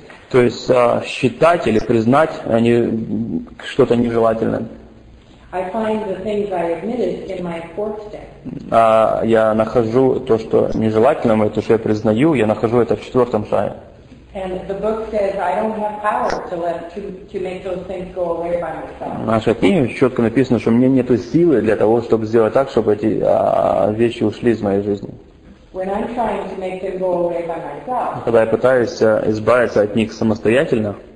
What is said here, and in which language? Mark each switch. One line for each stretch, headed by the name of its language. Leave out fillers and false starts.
Russian: То есть считать или признать они что-то нежелательное.
English: I find the things I admitted in my fourth step.
Russian: Я нахожу то, что нежелательно, то, что я признаю, я нахожу это в четвертом шаге.
English: And the book says I don't have power to make those things go away by myself.
Russian: В нашей книге четко написано, что у меня нету силы для того, чтобы сделать так, чтобы эти вещи ушли из моей жизни.
English: When I'm trying to make them go away by myself.
Russian: Когда я пытаюсь избавиться от них самостоятельно.